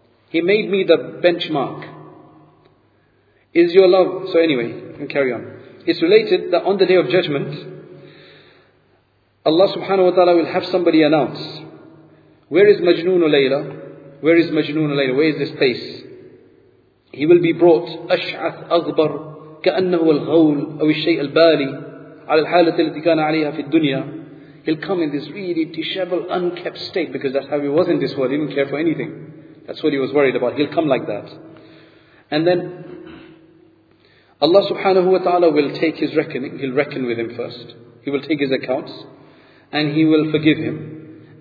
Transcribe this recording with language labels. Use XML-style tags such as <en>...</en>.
<en>He made me the benchmark. Is your love... So anyway, we can carry on. It's related that on the Day of Judgment, Allah subhanahu wa ta'ala will have somebody announce, "Where is Majnoon Layla? Where is Majnoon Layla? Where is this place?"</en> <ar>He will be brought, أَشْعَثْ أَغْبَرْ كَأَنَّهُ الْغَوْلُ أَوِ الشَّيْءَ الْبَالِي عَلَى الْحَالَةِ الَّتِي كَانَ عَلَيْهَا فِي الدُّنْيَا.</ar> <en>He'll come in this really disheveled, unkept state, because that's how he was in this world. He didn't care for anything. That's what he was worried about. He'll come like that. And then Allah subhanahu wa ta'ala will take his reckoning. He'll reckon with him first. He will take his accounts and he will forgive him.</en>